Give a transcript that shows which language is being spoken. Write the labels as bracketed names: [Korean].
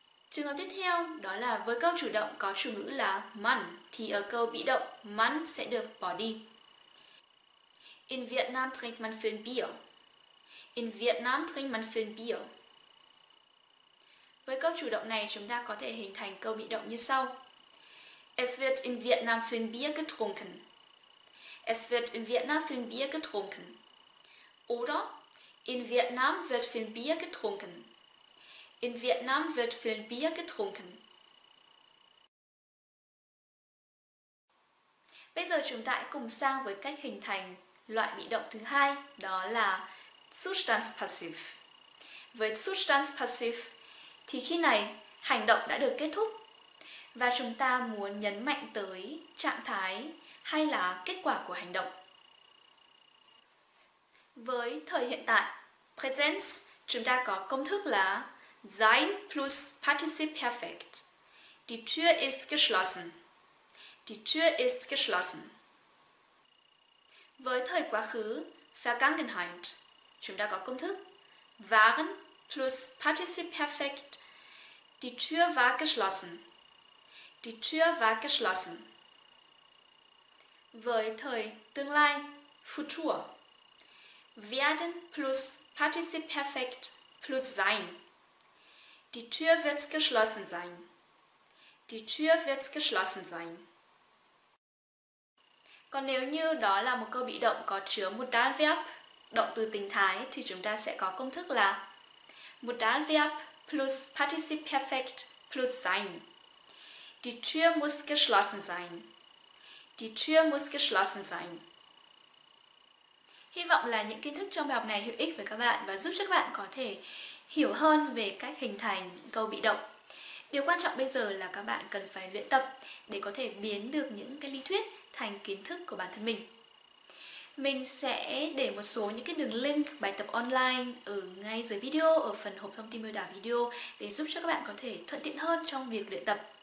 [Vietnamese] Trường hợp tiếp theo đó là với câu chủ động có chủ ngữ là man thì ở câu bị động man sẽ được bỏ đi. [German] In Vietnam trinkt man viel Bier. In Vietnam trinkt man viel Bier. [Vietnamese] Với câu chủ động này chúng ta có thể hình thành câu bị động như sau. [German] Es wird in Vietnam viel Bier getrunken. Es wird in Vietnam viel Bier getrunken. Oder in Vietnam wird viel Bier getrunken. In Vietnam wird viel Bier getrunken. [Vietnamese] Bây giờ chúng ta hãy cùng sang với cách hình thành loại bị động thứ hai, đó là Zustandspassiv. Với Zustandspassiv thì khi này hành động đã được kết thúc và chúng ta muốn nhấn mạnh tới trạng thái hay là kết quả của hành động. Với thời hiện tại, Präsens, chúng ta có công thức là Sein plus Particip Perfekt. [German] Die Tür ist geschlossen. Die Tür ist geschlossen. [Vietnamese] Với thời quá khứ, Vergangenheit, chúng ta có công thức Waren plus Particip Perfekt. [German] Die Tür war geschlossen. Die Tür war geschlossen. [Vietnamese] Với thời tương lai, Futur, Werden plus Particip Perfekt plus Sein. [German] Die Tür wird geschlossen sein. Die Tür wird geschlossen sein. [Vietnamese] Còn nếu như đó là một câu bị động có chứa Modalverb, động từ tình thái, thì chúng ta sẽ có công thức là Modalverb plus Particip Perfekt plus Sein. [German] Die Tür muss geschlossen sein. Die Tür muss geschlossen sein. [Vietnamese] Hy vọng là những kiến thức trong bài học này hữu ích với các bạn và giúp cho các bạn có thể hiểu hơn về cách hình thành câu bị động. Điều quan trọng bây giờ là các bạn cần phải luyện tập để có thể biến được những cái lý thuyết thành kiến thức của bản thân mình. Mình sẽ để một số những cái đường link bài tập online ở ngay dưới video, ở phần hộp thông tin miêu tả video để giúp cho các bạn có thể thuận tiện hơn trong việc luyện tập.